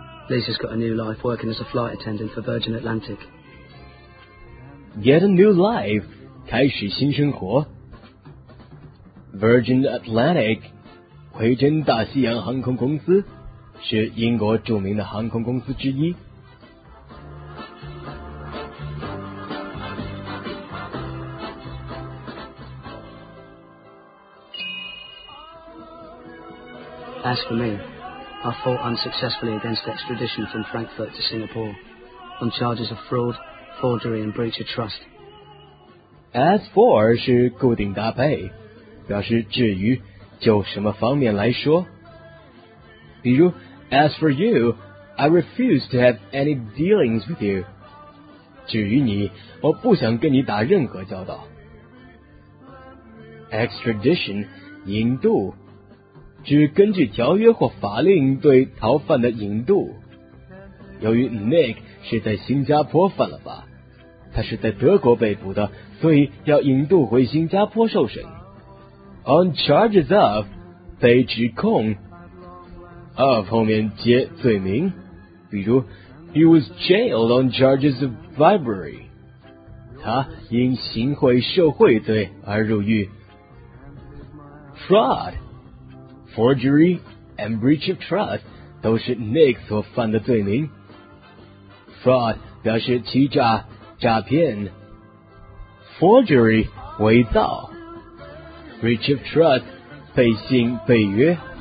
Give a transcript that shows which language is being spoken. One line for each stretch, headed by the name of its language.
English: Lisa's got a new life working as a flight attendant for Virgin Atlantic. Get a new life,
Chinese: 开始新生活。 Virgin Atlantic, 维珍大西洋航空公司，是英国著名的航空公司之一。
English: As for me, I fought unsuccessfully against extradition from Frankfurt to Singapore on charges of fraud, forgery and breach of trust. As for 是固定搭配，表示至于就什么方面来说，比如 As for you, I refuse to have any dealings with you.
Chinese: 至于你，我不想跟你打任何交道。 Extradition 引渡，指根据条约或法令对逃犯的引渡。由于 Nick 是在新加坡犯了法，他是在德国被捕的，所以要引渡回新加坡受审。 On charges of 被指控， of 后面接罪名，比如
English: He was jailed on charges of bribery，
Chinese: 他因行贿受贿罪而入狱。
English: Fraud、 Forgery and breach of trust
Chinese: 都是 Nick 所犯的罪名。 Fraud 表示欺诈、诈骗， Forgery 伪造，Breach of trust， 背信背约。